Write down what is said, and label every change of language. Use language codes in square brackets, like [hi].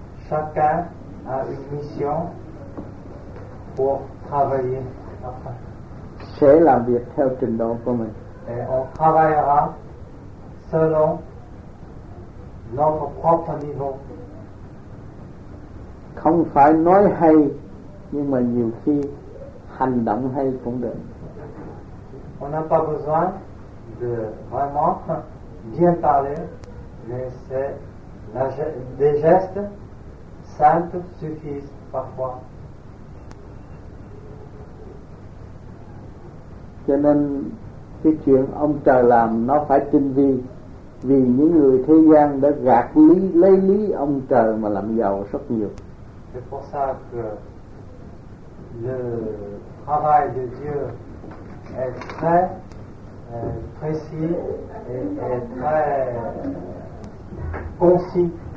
[fr] Chacun a une mission pour travailler après. [vi] Sẽ làm việc theo trình độ của mình. [fr] Et on travaillera selon notre propre niveau. [vi] Không phải nói hay, nhưng mà nhiều khi hành động hay cũng được. [fr] On n'a pas besoin de vraiment bien parler, mais c'est des gestes simples suffisent parfois. [vi] Cho nên cái chuyện ông trời làm nó phải tinh vi, vì những người thế gian đã gạt lý, lấy lý ông trời mà làm giàu rất nhiều. [fr] C'est pour ça que le travail de Dieu est très précis et très concis.